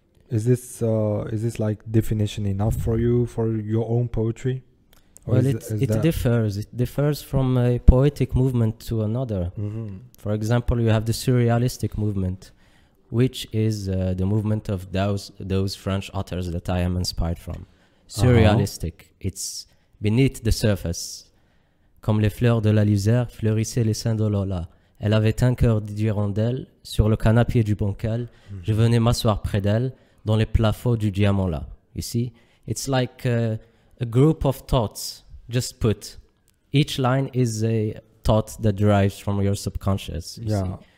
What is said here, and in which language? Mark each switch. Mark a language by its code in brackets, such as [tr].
[en] Is this like definition enough for you for your own poetry? It differs from a poetic movement to another. Mm-hmm. For example, you have the surrealistic movement, which is the movement of those French authors that I am inspired from. Surrealistic. Uh-huh. It's beneath the surface. [fr] Comme les fleurs de la luzerne fleurissaient les seins de Lola. Elle avait un cœur d'hirondelle sur le canapé du bancal. Mm-hmm. Je venais m'asseoir près d'elle. Dans les plafonds du diamant là, [en] you see? It's like a group of thoughts, just put. Each line is a thought that derives from your subconscious, you see?